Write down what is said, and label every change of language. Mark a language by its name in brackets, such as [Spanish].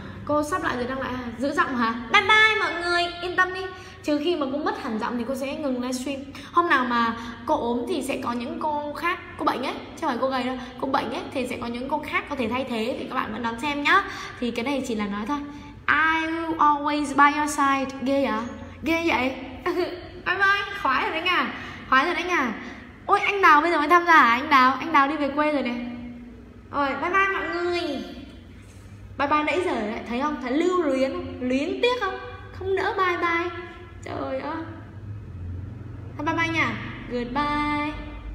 [Vietnamese] Cô sắp lại rồi, đăng lại, giữ giọng hả? Bye bye mọi người, yên tâm đi. Trừ khi mà cô mất hẳn giọng thì cô sẽ ngừng livestream. Hôm nào mà cô ốm thì sẽ có những cô khác, cô bệnh ấy, chứ không phải cô gầy đâu. Cô bệnh ấy thì sẽ có những cô khác có thể thay thế, thì các bạn vẫn đón xem nhá. Thì cái này chỉ là nói thôi. [English] I will always by your side. [Vietnamese] Ghê à? Ghê vậy? Bye bye, khoái rồi đấy nha. Khoái rồi đấy nha. Ôi anh Đào bây giờ mới tham gia à? Anh Đào đi về quê rồi nè. Rồi bye bye mọi người. Bye bye nãy giờ lại, thấy không? Thấy lưu luyến, luyến tiếc không? Không nỡ bye bye. Trời ơi. Bye bye nha. Goodbye.